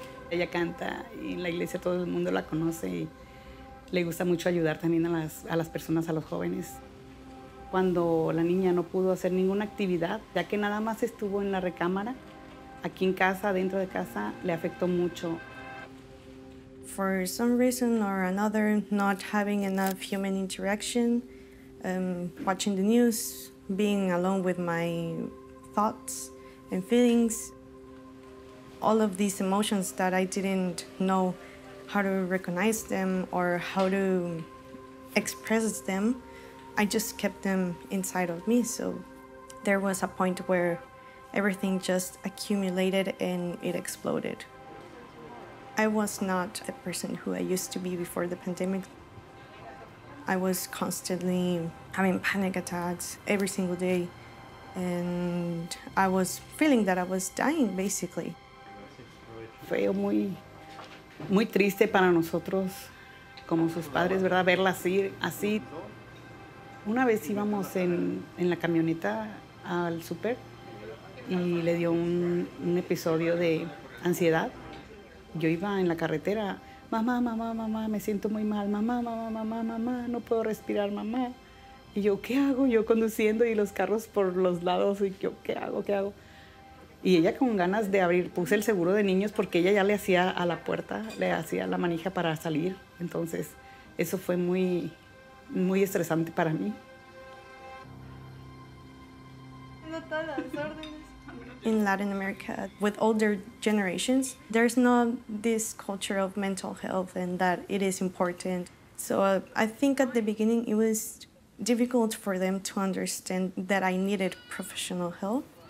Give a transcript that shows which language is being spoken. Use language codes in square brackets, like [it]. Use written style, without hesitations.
[es] Ella canta y en la iglesia todo el mundo la conoce y le gusta mucho ayudar también a las personas, a los jóvenes. Cuando la niña no pudo hacer ninguna actividad, ya que nada más estuvo en la recámara, aquí en casa, dentro de casa, le afectó mucho. [en] For some reason or another, not having enough human interaction, watching the news, being alone with my thoughts and feelings, all of these emotions that I didn't know how to recognize them or how to express them, I just kept them inside of me. So there was a point where everything just accumulated and it exploded. I was not the person who I used to be before the pandemic. I was constantly having panic attacks every single day. And I was feeling that I was dying, basically. [es] Fue muy, muy triste para nosotros, como sus padres, ¿verdad? Verla así, así. Una vez íbamos en la camioneta al súper y le dio un episodio de ansiedad. Yo iba en la carretera, mamá, mamá, mamá, me siento muy mal, mamá, mamá, mamá, mamá, no puedo respirar, mamá. Y yo, ¿qué hago? Yo conduciendo y los carros por los lados, y yo, ¿qué hago, qué hago? Y ella con ganas de abrir, puse el seguro de niños porque ella ya le hacía a la puerta, le hacía la manija para salir. Entonces, eso fue muy, muy estresante para mí. No todas las órdenes. [en] In Latin America, with older generations, there's not this culture of mental health and that it is important. So I think at the beginning, it was difficult for them to understand that I needed professional help.